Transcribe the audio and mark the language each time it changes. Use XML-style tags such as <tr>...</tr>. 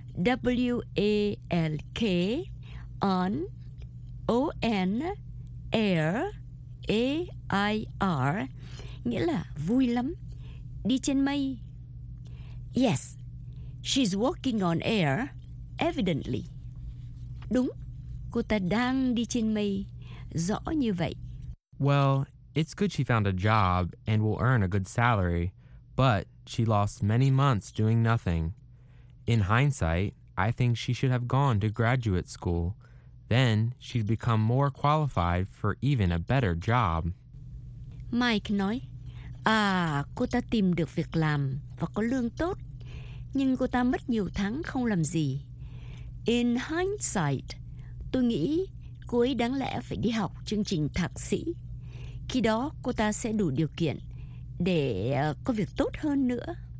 <en>W-A-L-K. On. O-N. Air.</en> <vi>A-I-R. Nghĩa là vui lắm. Đi trên mây.</vi> <en>Yes, she's walking on air, evidently.</en> <vi>Đúng, cô ta đang đi trên mây, rõ như vậy?</vi> <en>Well, it's good she found a job and will earn a good salary, but she lost many months doing nothing. In hindsight, I think she should have gone to graduate school. Then she'd become more qualified for even a better job.</en> <vi>Mike nói, à, cô ta tìm được việc làm và có lương tốt, nhưng cô ta mất nhiều tháng không làm gì.</vi> <en>In hindsight,</en> <vi>tôi nghĩ cô ấy đáng lẽ phải đi học chương trình thạc sĩ. Khi đó cô ta sẽ đủ điều kiện để có việc tốt hơn nữa.</vi>